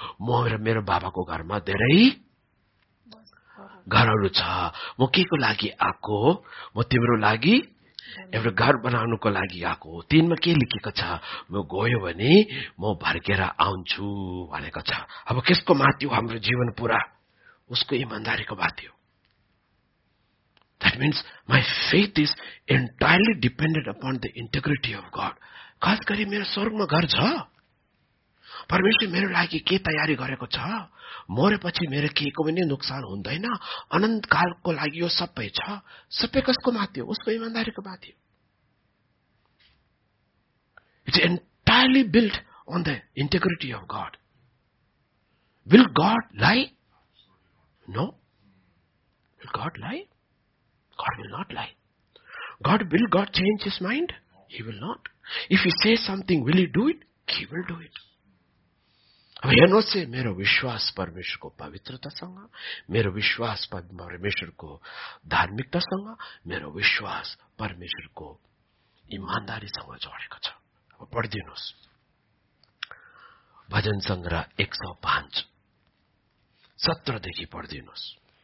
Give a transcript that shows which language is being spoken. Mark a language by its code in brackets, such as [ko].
[ne] म र मेरो बाबाको घरमा धेरै घरहरू छ, म के को लागि आएको हो? म तिम्रो लागि एउटा घर बनाउनुको लागि आएको हो। तिनमा के लेखेको छ? म गयो भने म भर्केर आउँछु भनेको छ। अब कसको माथि हो हाम्रो जीवन पुरा? उसको इमान्दारीको माथि हो। [en] That means my faith is entirely dependent upon the integrity of God. [ne] खास गरी मेरो स्वर्गमा घर छ, परमेश्वर मेरो लागि के तयारी गरेको छ? मरेपछि मेरो के को पनि नोक्सान हुँदैन, अनन्त कालको लागि यो सबै छ। सबै कसको माथि हो? उसको इमान्दारीको माथि हो। [en] It's entirely built on the integrity of God. Will God lie? No. Will God lie? God will not lie. Will God change his mind? He will not. If he says something, will he do it? He will do it. [ne] अब हेर्नुहोस् है, मेरो विश्वास परमेश्वरको पवित्रतासँग, मेरो विश्वास परमेश्वरको धार्मिकतासँग, मेरो विश्वास परमेश्वरको इमान्दारीसँग जोडेको छ। अब पढिदिनुहोस् भजन संग्रह 105:17 पढिदिनुहोस्।